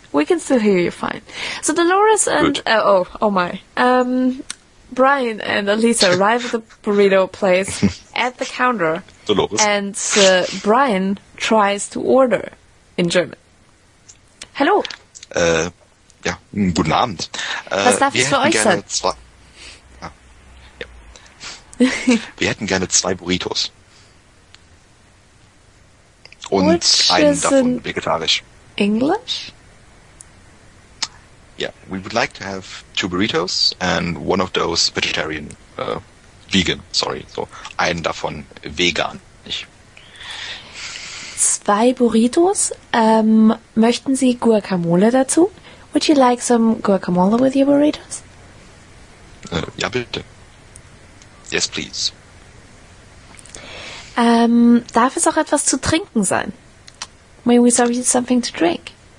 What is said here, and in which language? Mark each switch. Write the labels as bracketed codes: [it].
[en] We can still hear you fine. So Dolores and... Brian and Alisa arrive at the burrito place at the counter... Dolores. And Brian tries to order in German. Hello. [de] Ja, guten Abend. Was darf ich für euch sein? Wir hätten gerne zwei Burritos. Und einen davon vegetarisch. [en] English? Yeah, we would like to have two burritos and one of those vegetarian. [de] Vegan, sorry. So einen davon vegan. Zwei Burritos. Möchten Sie Guacamole dazu? [en] Would you like some guacamole with your burritos? [de] Ja, bitte. [en] Yes, please. [de] Darf es auch etwas zu trinken sein? [en] May we serve you something to drink?